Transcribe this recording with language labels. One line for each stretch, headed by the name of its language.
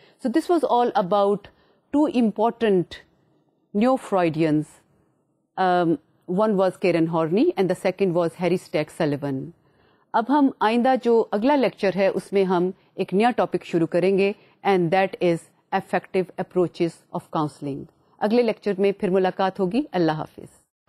English: So this was all about two important new Freudians One was Karen Horney and the second was Harry Stack Sullivan.
Urdu: اب ہم آئندہ جو اگلا lecture ہے اس میں ہم ایک نیا ٹاپک شروع کریں گے
English: And that is effective approaches of counselling.
Urdu: اگلے لیکچر میں پھر ملاقات ہوگی. اللہ حافظ.